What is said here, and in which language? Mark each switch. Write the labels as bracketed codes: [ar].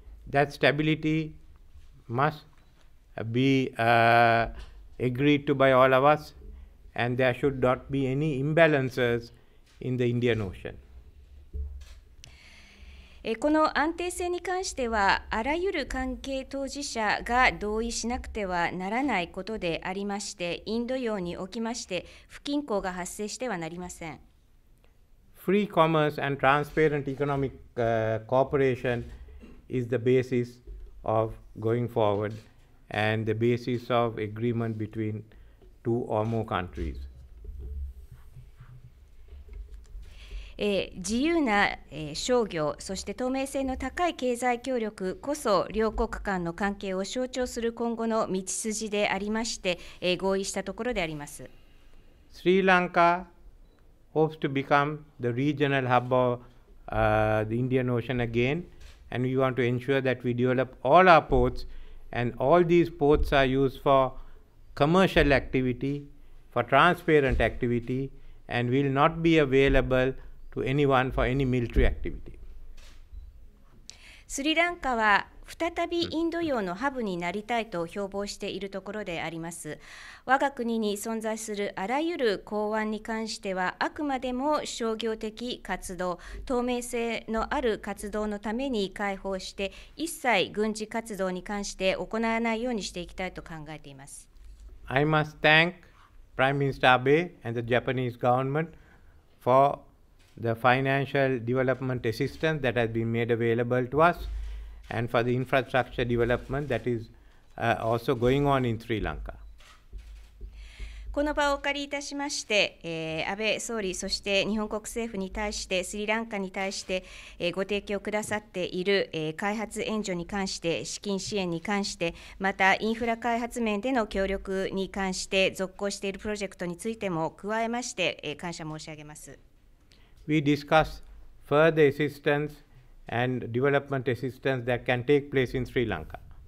[en] That stability must be agreed to by all of us. And there should not be any imbalances in the Indian Ocean. [ja] この安定性に関しては、あらゆる関係当事者が同意しなくてはならないことでありまして、インド洋におきまして、不均衡が発生してはなりません。 [en] Free commerce and transparent economic cooperation is the basis of going forward and the basis of agreement between. Two or more countries. [ja] 自由な商業、そして透明性の高い経済協力こそ両国間の関係を象徴する今後の道筋でありまして、合意したところであります。 [en] スリランカ hopes to become the regional hub of the Indian Ocean again, and we want to ensure that we develop all our ports, and all these ports are used forCommercial activity, for transparent activity, and will not be available to anyone for any military activity. [ja] Sri Lanka は再びインド洋のハブになりたいと標榜しているところであります。我が国に存在するあらゆる港湾に関しては、あくまでも商業的活動、透明性のある活動のために開放して、一切軍事活動に関して行わないようにしていきたいと考えています。 [en] I must thank Prime Minister Abe and the Japanese government for the financial development assistance that has been made available to us and for the infrastructure development that is also going on in Sri Lanka. [ja] この場をお借りいたしまして、安倍総理そして日本国政府に対してスリランカに対して、ご提供くださっている、開発援助に関して資金支援に関してまたインフラ開発面での協力に関して続行しているプロジェクトについても加えまして、感謝申し上げます。 [en] We discuss further assistance and development assistance that can take place in Sri Lanka.